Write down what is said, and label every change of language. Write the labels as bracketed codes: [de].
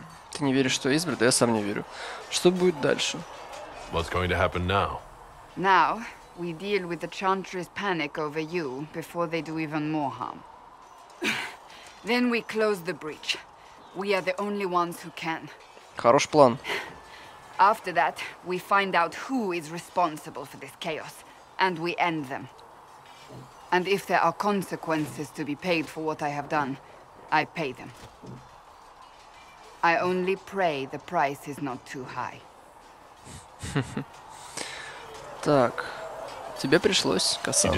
[ru] Ты не веришь, что избран? Да я сам не верю. Что будет дальше? [en] What's going to happen now? Now we deal with the Chantry's panic over you before they do even more harm. Then we close the breach. We are the only ones who can. [ru] Хорош план. [en] After that, we find out who is responsible for this chaos, and we end them. And if there are consequences to be paid for what I have done, I pay them. I only pray the price is not too high. [ru] Так, тебе пришлось, Кассандра.